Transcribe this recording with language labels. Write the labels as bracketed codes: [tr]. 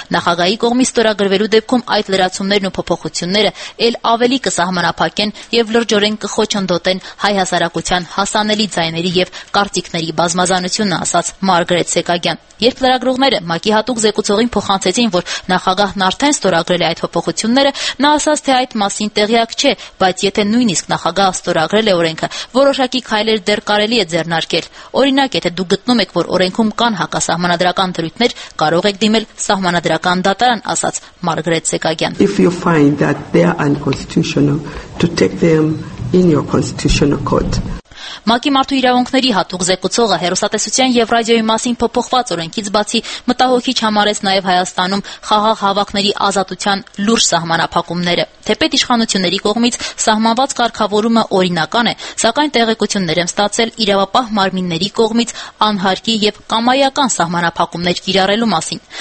[hy] Նախագահի կողմից ստորագրվելու դեպքում այդ լրացումներն ու փոփոխությունները էլ ավելի կսահմանափակեն և լրջորեն կխոչընդոտեն հայ հասարակության հասանելի ձայների և արտիկների բազմազանությունը», ասաց Մարգրետ Սեկագյան։ Երբ լրագրողները ՄԱԿ-ի հատուկ զեկուցողին փոխանցեցին, որ նախագահն արդեն ստորագրել է այդ փոփոխությունները, նա ասաց, թե այդ մասին տեղյակ չէ, բայց եթե նույնիսկ նախագահը ստորագրել է օրենքը, որոշակի քայլեր դեռ կարելի է ձեռնարկել։ Օրինակ, եթե դու գտնում ես, որ օրենքում կան հակասահմանադրական դրույթներ, կարող ես դիմել սահմանադրական դատարան», ասաց Մարգրետ Սեկագյան։ [en] «If you find that they are unconstitutional, to take them in your constitutional court». [hy] ՄԱԿ-ի մարդու իրավունքների հատուկ զեկուցողը հեռուստատեսության և ռադիոյի մասին փոփոխված օրենքից բացի մտահոգիչ համարեց նաև Հայաստանում խաղաղ հավաքների ազատության լուրջ սահմանափակումները։ Թեպետ իշխանությունների կողմից սահմանված կարգավորումը օրինական է, սակայն տեղեկություններ եմ ստացել իրավապահ մարմինների կողմից անհարկի և կամայական սահմանափակումներ կիրառելու մասին։